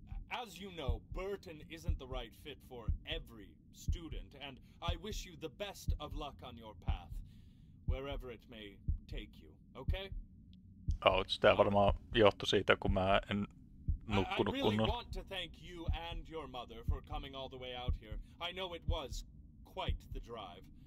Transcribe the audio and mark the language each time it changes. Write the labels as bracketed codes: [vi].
[en] As you know, Burton isn't the right fit for every student, and I wish you the best of luck on your path, wherever it may take you, okay? [fi] Ouch, tää varmaan johtui siitä, kun mä en... [en] I really want to thank you and your mother for coming all the way out here. I know it was quite the drive.